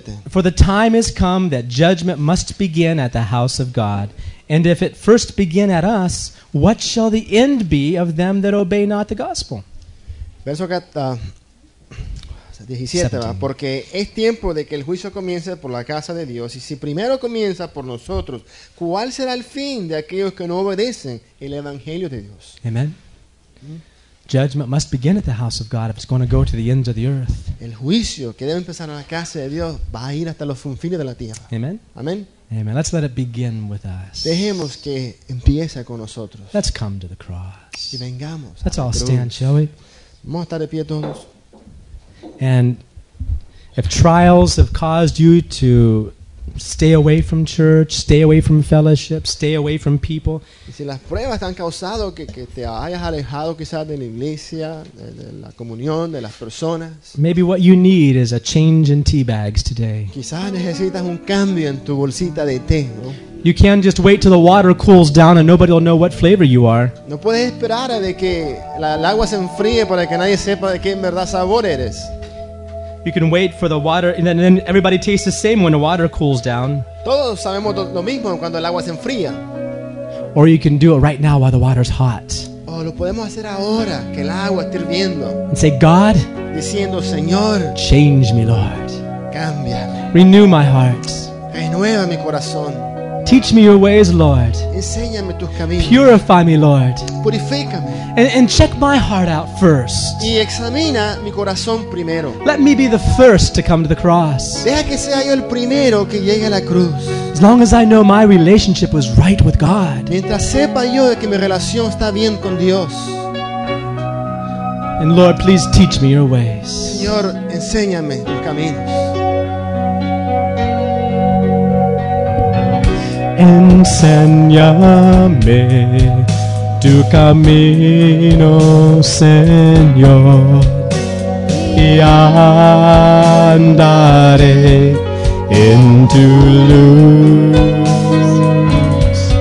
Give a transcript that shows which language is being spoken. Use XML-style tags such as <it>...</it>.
<en>For the time has come that judgment must begin at the house of God. And if it first begin at us, what shall the end be of them that obey not the gospel?</en> <es>Verso 17, porque es tiempo de que el juicio comience por la casa de Dios. Y si primero comienza por nosotros, ¿cuál será el fin de aquellos que no obedecen el evangelio de Dios?</es> <en>Amen. Judgment must begin at the house of God if it's going to go to the ends of the earth.</en> <es>El juicio que debe empezar en la casa de Dios va a ir hasta los confines de la tierra.</es> <en>Amen. Amen. Amen. Let's let it begin with us.</en> <es>Dejemos que empiece con nosotros.</es> <en>Let's come to the cross.</en> <es>Y vengamos.</es> <en>Let's all stand, shall we?</en> <es>Vamos a estar de pie todos.</es> <en>And if trials have caused you to stay away from church, stay away from fellowship, stay away from people.</en> <es>Y si las pruebas te han causado que te hayas alejado quizás de la iglesia, de la comunión, de las personas.</es> <en>Maybe what you need is a change in tea bags today.</en> <es>Quizás necesitas un cambio en tu bolsita de té, ¿no?</es> <en>You can't just wait till the water cools down and nobody will know what flavor you are.</en> <es>No puedes esperar a de que el agua se enfríe para que nadie sepa de qué en verdad sabor eres.</es> <en>You can wait for the water and then everybody tastes the same when the water cools down.</en> <es>Todos sabemos lo mismo cuando el agua se enfría.</es> <en>Or you can do it right now while the water's hot.</en> <es>O lo podemos hacer ahora que el agua esté hirviendo.</es> <en>And say, God,</en> <es>diciendo, Señor,</es> <en>change me, Lord.</en> <es>Cámbiame.</es> <en>Renew my heart.</en> <es>Renueva mi corazón.</es> <en>Teach me your ways, Lord.</en> <es>Enséñame tus caminos.</es> <en>Purify me, Lord.</en> <es>Purifícame.</es> <en>And check my heart out first.</en> <es>Y examina mi corazón primero.</es> <en>Let me be the first to come to the cross.</en> <es>Deja que sea yo el primero que llegue a la cruz.</es> <en>As long as I know my relationship was right with God.</en> <es>Mientras sepa yo de que mi relación está bien con Dios.</es> <en>And Lord, please teach me your ways.</en> <es>Señor, enséñame tus caminos. Enséñame tu camino, Señor, y andaré en tu luz.</es>